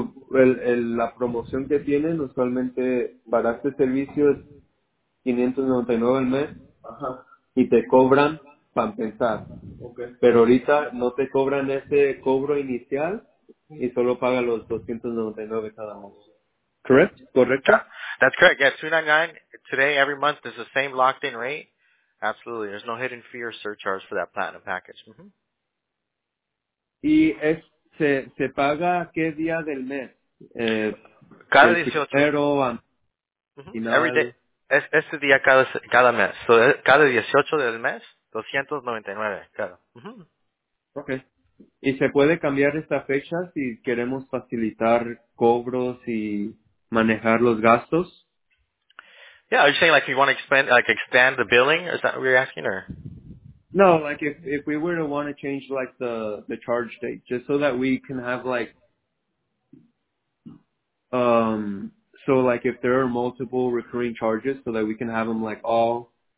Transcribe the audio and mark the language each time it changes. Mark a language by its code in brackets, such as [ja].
[es] La promoción que tienen usualmente para este servicio es $599 al mes. Ajá. Y te cobran para empezar. Okay. Pero ahorita no te cobran ese cobro inicial y solo paga los $299 cada mes. [en] Correct? [es] Correcto. [en] That's correct. Yeah, $299 today every month is the same locked in rate. Absolutely. There's no hidden fee or surcharge for that platinum package. Mm-hmm. [es] Y se paga qué día del mes? Cada 18. Pero, mm-hmm. [en] Every day. [es] Este día cada mes. So, cada 18 del mes, 299, claro. Uh-huh. Okay. ¿Y se puede cambiar esta fecha si queremos facilitar cobros y manejar los gastos? [en] Yeah, are you saying like you want to extend the billing? Is that what you're asking? Or? No, like if we were to want to change like the charge date, just so that we can have like, so like if there are multiple recurring charges, so that we can have them like all